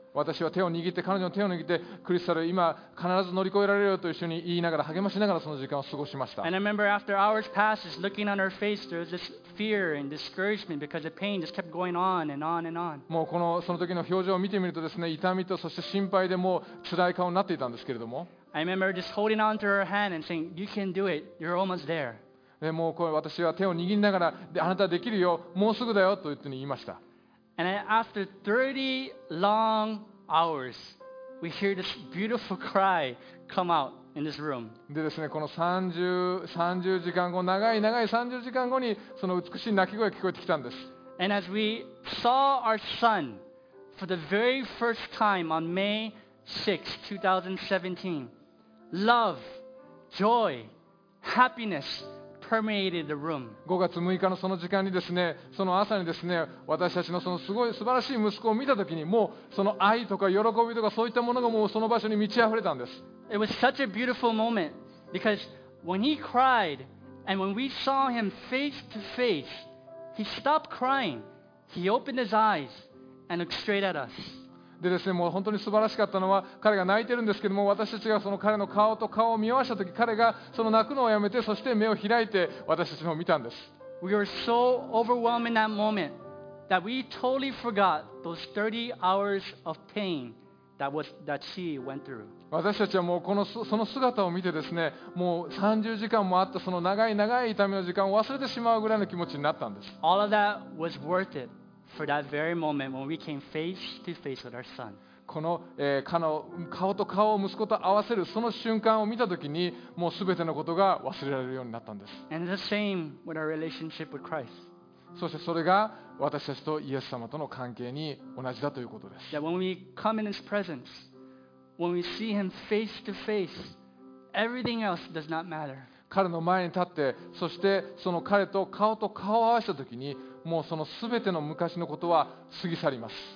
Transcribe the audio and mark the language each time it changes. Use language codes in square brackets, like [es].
[ja] 私は手を握って、彼女の手を握って、クリスタル、今必ず乗り越えられるよと一緒に言いながら励ましながらその時間を過ごしました。 [en] And I remember after hours passed, just looking on her face, there was this fear and discouragement because the pain just kept going on and on and on. [ja] もうこのその時の表情を見てみるとですね、痛みとそして心配でもう辛い顔になっていたんですけれども。 [en] I remember just holding on to her hand and saying, "You can do it. You're almost there." [ja] でもうこう私は手を握りながら、あなたはできるよ、もうすぐだよと言って言いました。 [en] And after 30 long hours, we hear this beautiful cry come out in this room. [ja] でですね、この30時間後、長い長い30時間後にその美しい泣き声聞こえてきたんです。 [en] And as we saw our son for the very first time on May 6, 2017, love, joy, happiness. Permeated the room. [ja] 5月6日のその時間にですね、その朝にですね、私たちのそのすごい素晴らしい息子を見たときに、もうその愛とか喜びとかそういったものがもうその場所に満ち溢れたんです。 [en] It was such a beautiful moment because when he cried and when we saw him face to face, he stopped crying. He opened his eyes and looked straight at us. [ja] でですね、もう本当に素晴らしかったのは彼が泣いてるんですけども、私たちがその彼の顔と顔を見合わせたとき、彼がその泣くのをやめて、そして目を開いて私たちのを見たんです。 [en] We were so overwhelmed in that moment that we totally forgot those 30 hours of pain that she went through. [ja] 私たちはもうこのその姿を見てですね、もう30時間もあったその長い長い痛みの時間を忘れてしまうぐらいの気持ちになったんです。 [en] All of that was worth it.For that very moment when we came face to face with our son. [ja] この、顔と顔を息子と合わせるその瞬間を見たときにもうすべてのことが忘れられるようになったんです。 [en] And the same with our relationship with Christ. [ja] そしてそれが私たちとイエス様との関係に同じだということです。 [en] That when we come in His presence, when we see Him face to face, everything else does not matter. [ja] 彼の前に立って、そしてその彼と顔と顔を合わせたときにもうそのすべての昔のことは過ぎ去ります。